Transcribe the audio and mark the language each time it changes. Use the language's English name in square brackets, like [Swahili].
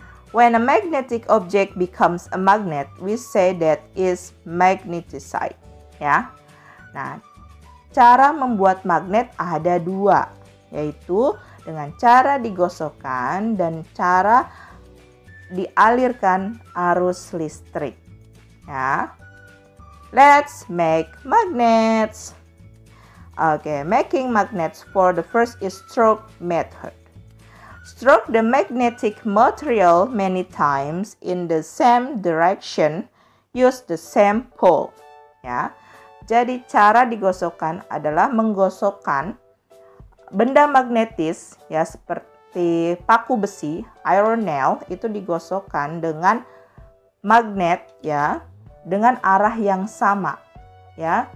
[English] When a magnetic object becomes a magnet, we say that is magnetized. [Indonesian] Ya. Nah, cara membuat magnet ada dua, yaitu dengan cara digosokkan dan cara dialirkan arus listrik. [English] Ya. Let's make magnets. Okay, making magnets for the first is stroke method. Stroke the magnetic material many times in the same direction, use the same pole. [Indonesian] Ya. Jadi cara digosokkan adalah menggosokkan benda magnetis ya seperti paku besi, iron nail itu digosokkan dengan magnet ya dengan arah yang sama ya.